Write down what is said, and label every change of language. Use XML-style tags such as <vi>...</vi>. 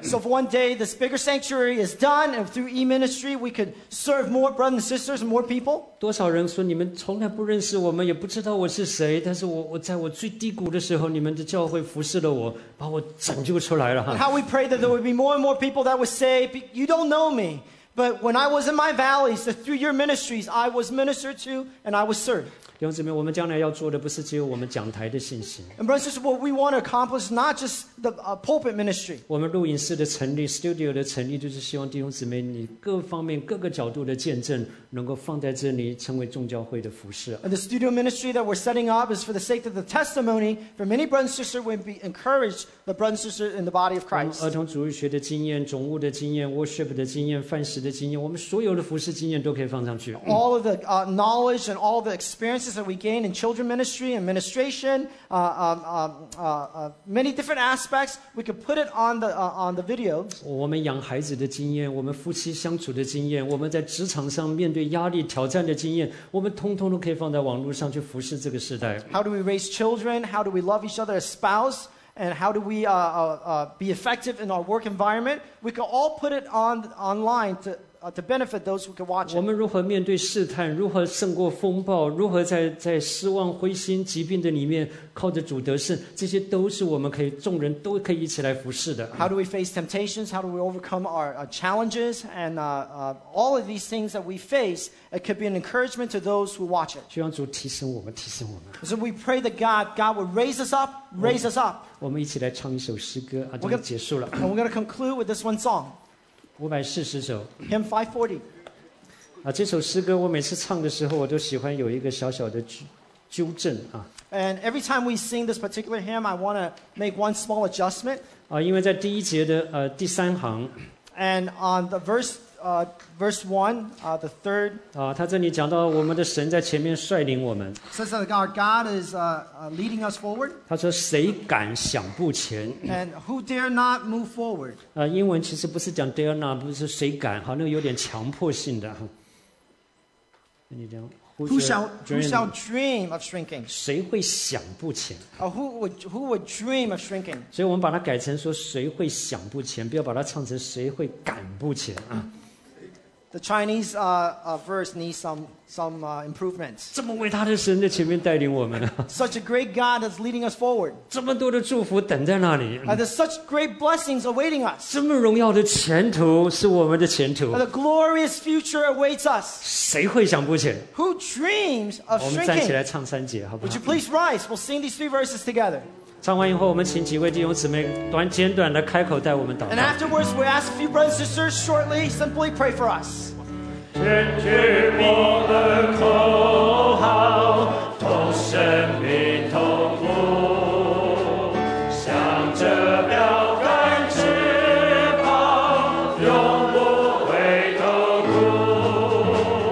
<en>So if one day this bigger sanctuary is done, and through e-ministry we could serve more brothers and sisters and more people.</en> <zh>多少人说你们从来不认识我们，也不知道我是谁，但是我在我最低谷的时候，你们的教会服侍了我，把我拯救出来了。</zh> <en>How we pray that there would be more and more people that would say, "You don't know me." But when I was in my valleys, through your ministries, I was ministered to and I was served.</en> <zh>弟兄姊妹，我们将来要做的不是只有我们讲台的信息。</zh> <en>And brothers, what we want to accomplish is not just the pulpit ministry.</en> <zh>我们录影室的成立 ，studio 的成立，就是希望弟兄姊妹你各方面各个角度的见证能够放在这里，成为众教会的服事。</zh> <en>And the studio ministry that we're setting up is for the sake of the testimony for many brothers and sisters will be encouraged. The brothers and sisters in the body of Christ.</en> <zh>儿童主日学的经验、总务的经验、worship 的经验、饭食的经验，我们所有的服事经验都可以放上去。</zh> <en>All of the knowledge and all the experiences that we gain in children ministry, administration, many different aspects, we could put it on the video.</en> <zh>我们养孩子的经验、我们夫妻相处的经验、我们在职场上面对压力挑战的经验，我们通通都可以放在网络上去服事这个时代。</zh> <en>How do we raise children? How do we love each other as spouse? And how do we be effective in our work environment? We can all put it online to benefit those who can watch it.</en> <zh>我们如何面对试探，如何胜过风暴，如何在失望、灰心、疾病的里面靠着主得胜，这些都是我们可以众人都可以一起来服侍的。</zh> <en>How do we face temptations? How do we overcome our challenges? And all of these things that we face, it could be an encouragement to those who watch it.</en> <zh>希望主提升我们，提升我们。</zh> <en>So we pray that God would raise us up, raise us up.</en> <zh>我们一起来唱一首诗歌，啊，就结束了。</zh> <en>And we're going to conclude with this one song.</en> <zh>540首</zh> <en>Hymn 540、</en> <zh>这首诗歌我每次唱的时候我都喜欢有一个小小的 纠正、</zh> <en>And every time we sing this particular hymn I want to make one small adjustment、</en> <zh>因为在第一节的、第三行</zh> <en>And on the verse 1 the third</en> <zh>他这里讲到我们的神在前面率领我们</zh> <en>Says that our God is leading us forward</en> <zh>他说谁敢想不前</zh> <en>And who dare not move forward</en> <zh>英文其实不是讲</zh> <en>dare not</en> <zh>不是谁敢好那个有点强迫性的</zh> <en>Who shall dream of shrinking</en> <zh>谁会想不前、</zh> <en>who would dream of shrinking</en> <zh>所以我们把它改成说谁会想不前不要把它唱成谁会敢不前</zh> <en>The Chinese verse needs some improvements.</en> <zh>这么伟大的神在前面带领我们啊。</zh> <en>Such a great God is leading us forward.</en> <zh>这么多的祝福等在那里。</zh> <en>And there's such great blessings awaiting us.</en> <zh>这么荣耀的前途是我们的前途。</zh> <en>And a glorious future awaits us.</en> <zh>谁会想不起来？</zh> <en>Who dreams of shrinking?</en> <zh>我们站起来唱三节好不好？</zh> <en>Would you please rise? We'll sing these three verses together.</en> <zh>唱完以后，我们请几位弟兄姊妹短简短的开口带我们祷告。</zh> <en>And afterwards, we ask a few brothers and sisters shortly, simply pray for us.</en> <zh>坚决我的口号，同生命同福，向着标杆直跑，永不回头路。</zh>